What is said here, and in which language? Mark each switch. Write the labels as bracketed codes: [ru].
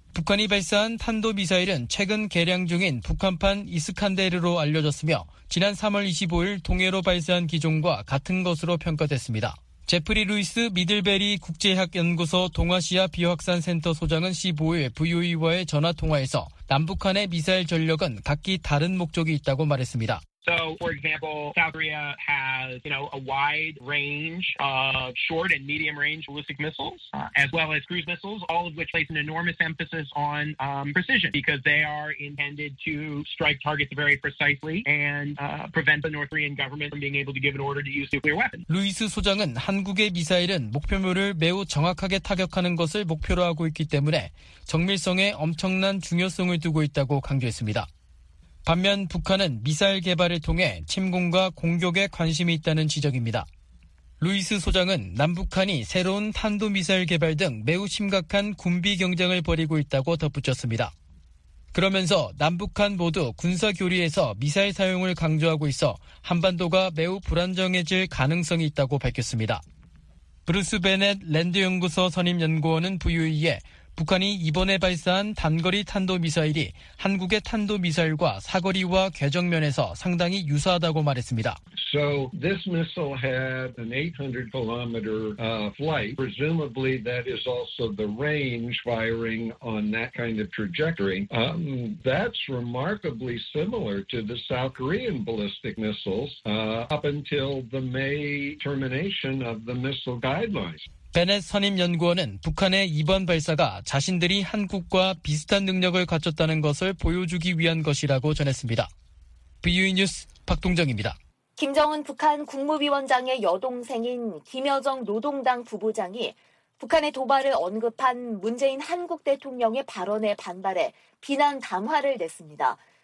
[ko] 북한이 발사한 탄도미사일은 최근 개량 중인 북한판 이스칸데르로 알려졌으며 지난 3월 25일 동해로 발사한 기종과 같은 것으로 평가됐습니다. 제프리 루이스 미들베리 국제학연구소 동아시아 비확산센터 소장은 15일 VOE와의 전화통화에서 남북한의 미사일 전력은 각기 다른 목적이 있다고 말했습니다. [en] So, for example, South Korea has, you know, a wide range of short and medium range ballistic missiles, as well as cruise missiles, all of which place an enormous emphasis on precision because they are intended to strike targets very precisely and prevent the North Korean government from being able to give an order to use nuclear weapons. [ko] 루이스 소장은 한국의 미사일은 목표물을 매우 정확하게 타격하는 것을 목표로 하고 있기 때문에 정밀성에 엄청난 중요성을 두고 있다고 강조했습니다. 반면 북한은 미사일 개발을 통해 침공과 공격에 관심이 있다는 지적입니다. 루이스 소장은 남북한이 새로운 탄도미사일 개발 등 매우 심각한 군비 경쟁을 벌이고 있다고 덧붙였습니다. 그러면서 남북한 모두 군사 교류에서 미사일 사용을 강조하고 있어 한반도가 매우 불안정해질 가능성이 있다고 밝혔습니다. 브루스 베넷 랜드연구소 선임연구원은 VOE에 북한이 이번에 발사한 단거리 탄도미사일이 한국의 탄도미사일과 사거리와 궤적면에서 상당히 유사하다고 말했습니다. [en] So this missile had an 800 kilometer flight. Presumably that is also the range firing on that kind of trajectory. That's remarkably similar to the South Korean ballistic missiles up until the May termination of the missile guidelines. [ko] 베넷 선임 연구원은 북한의 이번 발사가 자신들이 한국과 비슷한 능력을 갖췄다는 것을 보여주기 위한 것이라고 전했습니다. BUI 뉴스 박동정입니다. 김정은 북한 국무위원장의 여동생인 김여정 노동당 부부장이 북한의 도발을 언급한 문재인 한국 대통령의 발언에 반발해 비난 담화를 냈습니다.